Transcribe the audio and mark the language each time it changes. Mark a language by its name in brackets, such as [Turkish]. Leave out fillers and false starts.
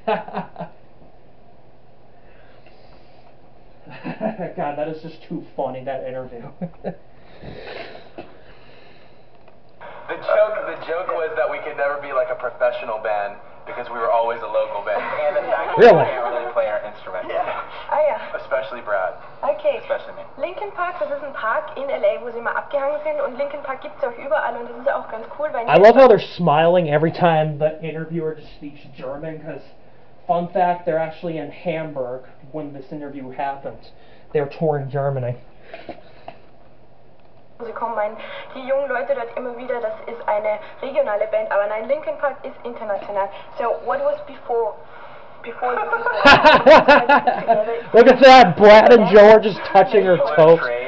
[English] God, that is just too funny, that interview. The joke was that we could never be like a professional band because we were always a local band. Really? We can't really play our instrument. Yeah. Oh, yeah. Especially Brad. Okay. Especially me. [German] Linkin Park, das ist ein Park in LA, wo sie immer abgehangen sind. Und Linkin Park gibt's auch überall und das ist auch ganz cool. Weil [English] I love how they're smiling every time the interviewer just speaks German, because fun fact, they're actually in Hamburg when this interview happens. They're touring Germany. [German] Sie kommen, meinen, die jungen Leute dort immer wieder, das ist eine regionale Band, aber nein, Linkin Park ist international. [English] So, what was before you Look at that, Brad and Joe are just touching her toes.